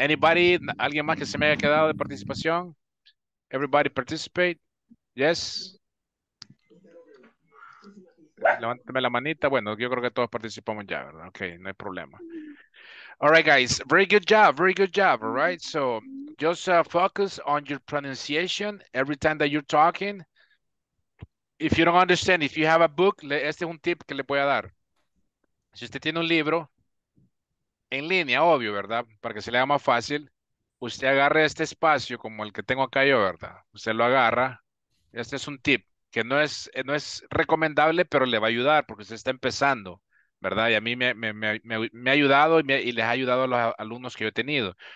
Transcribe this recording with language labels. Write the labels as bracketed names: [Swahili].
[Spanish] Anybody, alguien más que se me haya quedado de participación? [English] Everybody participate? Yes? [Spanish] Levántame la manita. Bueno, yo creo que todos participamos ya, ¿verdad? [English] Okay, [Spanish] no hay problema. [English] All right, guys. Very good job. All right. So just focus on your pronunciation every time that you're talking. If you don't understand, if you have a book, [Spanish] este es un tip que le voy a dar. Si usted tiene un libro en línea, obvio, ¿verdad? Para que se le haga más fácil, usted agarre este espacio como el que tengo acá yo, ¿verdad? Usted lo agarra. Este es un tip que no es recomendable, pero le va a ayudar porque usted está empezando, ¿verdad? Y a mí me ha ayudado y les ha ayudado a los alumnos que yo he tenido.